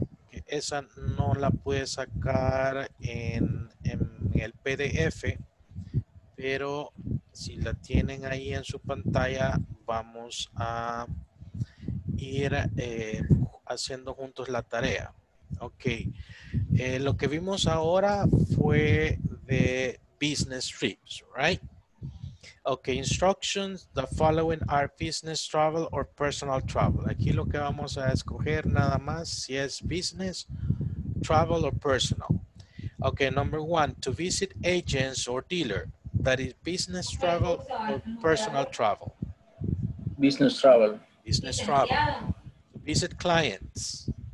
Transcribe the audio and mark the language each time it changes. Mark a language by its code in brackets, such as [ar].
[es] Que esa no la puede sacar en el PDF, pero si la tienen ahí en su pantalla, vamos a ir haciendo juntos la tarea. Ok, lo que vimos ahora fue de business trips, right? [en] Ok, instructions, the following are business travel or personal travel. [es] Aquí lo que vamos a escoger nada más si es business, [en] travel or personal. Ok, number one, to visit agents or dealer, that is business travel or personal travel. Business travel. Business travel. Visit clients.